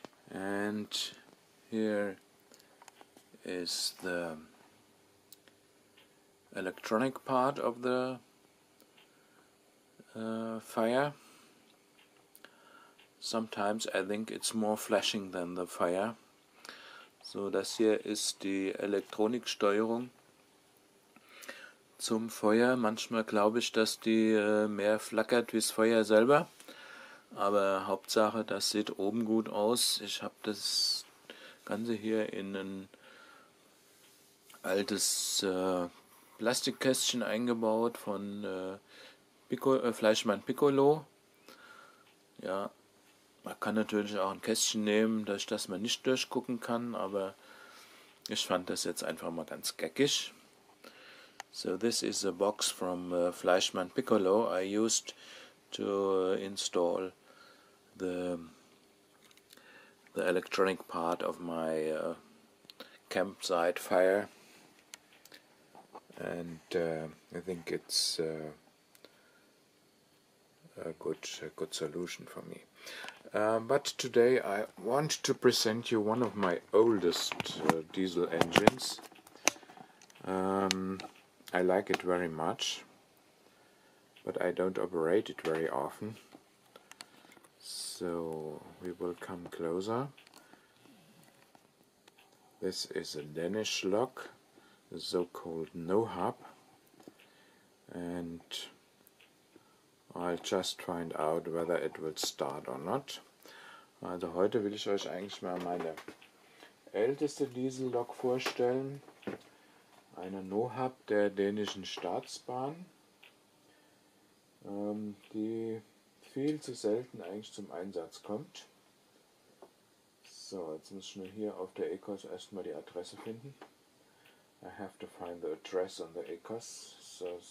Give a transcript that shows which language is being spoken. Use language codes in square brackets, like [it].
[en] And here is the electronic part of the fire. Sometimes I think it's more flashing than the fire. [de] So, das hier ist die Elektroniksteuerung zum Feuer. Manchmal glaube ich, dass die mehr flackert wie das Feuer selber. Aber Hauptsache, das sieht oben gut aus. Ich habe das Ganze hier in ein altes Plastikkästchen eingebaut von Fleischmann Piccolo. Ja. Man kann natürlich auch ein Kästchen nehmen, durch das man nicht durchgucken kann, aber ich fand das jetzt einfach mal ganz geckig. [en] So, this is a box from Fleischmann Piccolo I used to install the electronic part of my campsite fire. And I think it's a good solution for me. But today I want to present you one of my oldest diesel engines. I like it very much, but I don't operate it very often. So we will come closer. This is a Danish lock, so-called no-hub. And I'll just find out whether it will start or not. [de] Also heute will ich euch eigentlich mal meine älteste Diesellok vorstellen. Eine No-Hub der dänischen Staatsbahn, die viel zu selten eigentlich zum Einsatz kommt. So, jetzt muss ich nur hier auf der ECOS erstmal die Adresse finden. [en] I have to find the address on the ECOS.